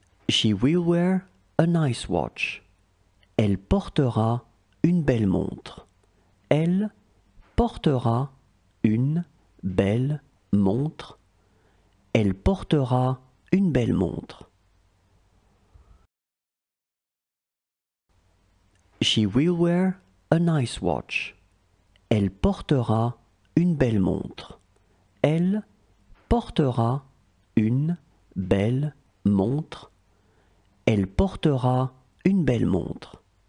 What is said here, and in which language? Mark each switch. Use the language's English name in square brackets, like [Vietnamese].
[English] She will wear a nice watch. [French] Elle portera une belle montre. Elle portera une belle montre. Elle portera une belle montre. [English] She will wear a nice watch. [French] Elle portera une belle montre. Elle portera une belle montre. Elle portera une belle montre.